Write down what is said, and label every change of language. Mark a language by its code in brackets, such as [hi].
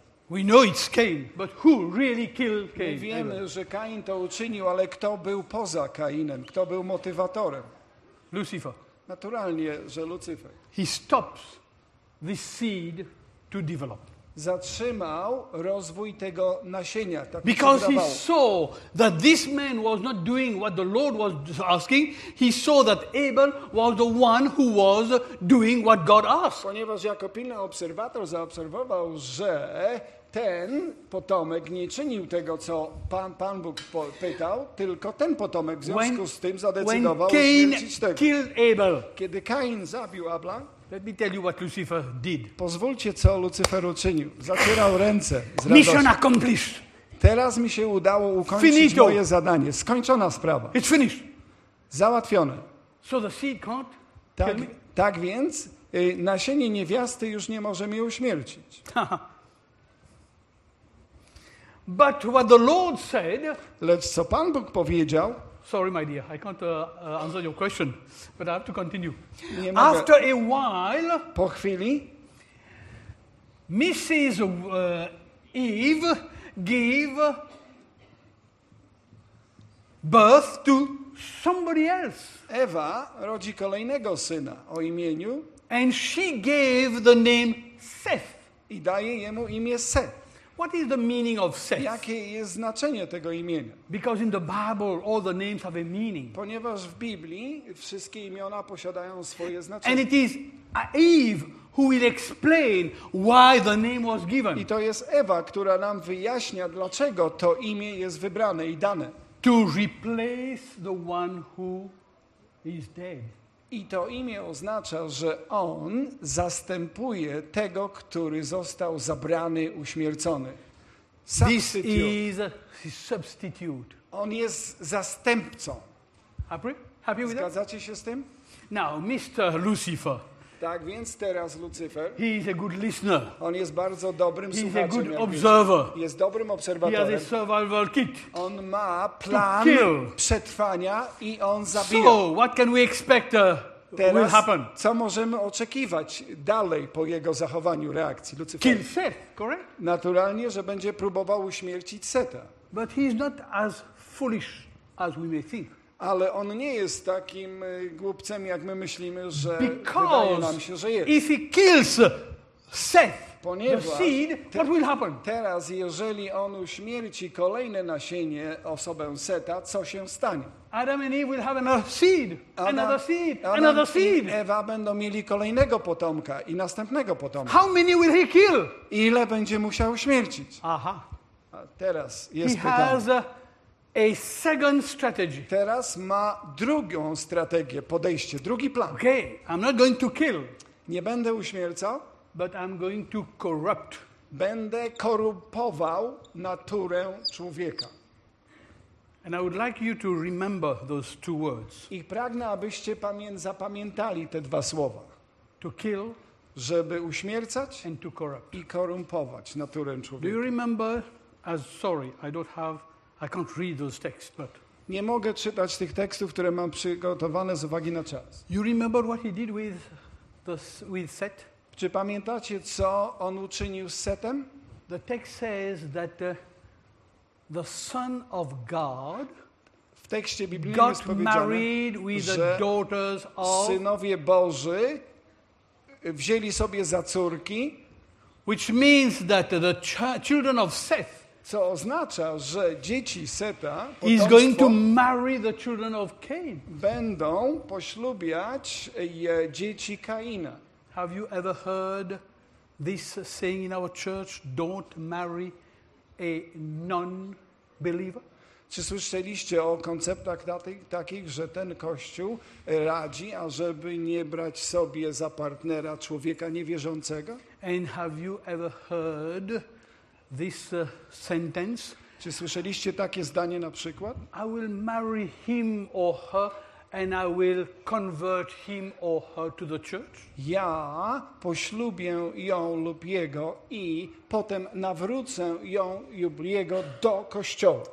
[en] We know it's Cain, but who really killed Cain? [pl] My wiemy, że Cain to uczynił, ale kto był poza Cainem? Kto był motywatorem? [en] Lucifer. [pl] Naturalnie, że Lucifer. [en] He stops the seed to develop. [pl] Zatrzymał rozwój tego nasienia. Tak [en] because he saw that this man was not doing what the Lord was asking, he saw that Abel was the one who was doing what God asked. [pl] Ponieważ jako pilny obserwator zaobserwował, że ten potomek nie czynił tego, co Pan Bóg pytał, tylko ten potomek w związku z tym zadecydował uśmiercić tego. [en] Killed Abel. [pl] Kiedy Cain zabił Abla, [en] let me tell you what Lucifer did. [pl] Pozwólcie, co Lucifer uczynił. Zacierał ręce z radości. [en] Mission accomplished. [pl] Teraz mi się udało ukończyć finito. Moje zadanie. Skończona sprawa. [en] It's finished. [pl] Załatwione. [en] So the seed can't [pl] tak, tak więc nasienie niewiasty już nie może mnie uśmiercić. [en] But what the Lord said, [pl] lecz co Pan Bóg powiedział. [en] Sorry, my dear, I can't answer your question, but I have to continue. [pl] Nie mogę. [en] After a while, [pl] po chwili, [en] Mrs. Eve gave birth to somebody else. [pl] Ewa rodzi kolejnego syna o imieniu. [en] And she gave the name Seth. [pl] I daje jemu imię Seth. [en] What is the meaning of Seth? [pl] Jakie jest znaczenie tego imienia? [en] Because in the Bible all the names have a meaning. [pl] Ponieważ w Biblii wszystkie imiona posiadają swoje znaczenie. [en] And it is Eve who will explain why the name was given. [pl] I to jest Ewa, która nam wyjaśnia, dlaczego to imię jest wybrane i dane. [en] To replace the one who is dead. [pl] I to imię oznacza, że on zastępuje tego, który został zabrany, uśmiercony. [en] Substitute. This is his substitute. [pl] On jest zastępcą. [en] Happy with that? [pl] Zgadzacie się z tym? [en] Now, Mr. Lucifer. [pl] Tak więc teraz Lucifer. [en] He is a good listener. [pl] On jest bardzo dobrym [en] he is [pl] słuchaczem. [en] A good observer. [pl] Jest dobrym obserwatorem. [en] He has a survival kit. [pl] On ma plan przetrwania i on zabija. [en] So, what can we expect [pl] teraz, [en] will happen? [pl] Co możemy oczekiwać dalej po jego zachowaniu reakcji Lucifera? [en] Kill Seth, correct? [pl] Naturalnie, że będzie próbował uśmiercić Seta. [en] But he is not as foolish as we may think. [pl] Ale on nie jest takim głupcem, jak my myślimy, że [en] because [pl] wydaje nam się, że jest. [en] If he kills Seth, [pl] ponieważ [en] the seed, what will happen? [pl] Teraz, jeżeli on uśmierci kolejne nasienie, osobę Seta, co się stanie? [en] Adam and Eve will have another seed, another seed, another seed. [pl] Ewa będą mieli kolejnego potomka i następnego potomka. [en] How many will he kill? [pl] Ile będzie musiał uśmiercić? Aha. A teraz jest [en] he [pl] pytanie. [en] A second strategy. [pl] Teraz ma drugą strategię, podejście, drugi plan. [en] Okay, I'm not going to kill. [pl] Nie będę uśmiercał. [en] But I'm going to corrupt. [pl] Będę korumpował naturę człowieka. [en] And I would like you to remember those two words. [pl] I pragnę, abyście zapamiętali te dwa słowa. [en] To kill. [pl] Żeby uśmiercać. [en] And to corrupt. [pl] I korumpować naturę człowieka. [en] Do you remember? Sorry, I don't have. I can't read those texts, but [pl] nie mogę czytać tych tekstów, które mam przygotowane z uwagi na czas. [en] You remember what he did with Seth? [pl] Czy pamiętacie, co on uczynił z Setem? [en] The text says that the Son of God. [pl] W tekście biblijnym [en] got [pl] jest powiedziane, [en] married with [pl] że [en] the daughters of [pl] synowie Boży wzięli sobie za córki, [en] which means that the children of Seth. [pl] Co oznacza, że dzieci Seta [en] is going to marry the children of Cain. [pl] Będą poślubiać dzieci Kaina. [en] Have you ever heard this saying in our church, don't marry a non-believer? [pl] Czy słyszeliście o konceptach takich, że ten Kościół radzi, ażeby nie brać sobie za partnera człowieka niewierzącego? [en] And have you ever heard this sentence? [pl] Czy słyszeliście takie zdanie na przykład? [en] I will marry him or her and I will convert him or her to the church. [pl] Ja poślubię ją lub jego i potem nawrócę ją lub jego do kościoła.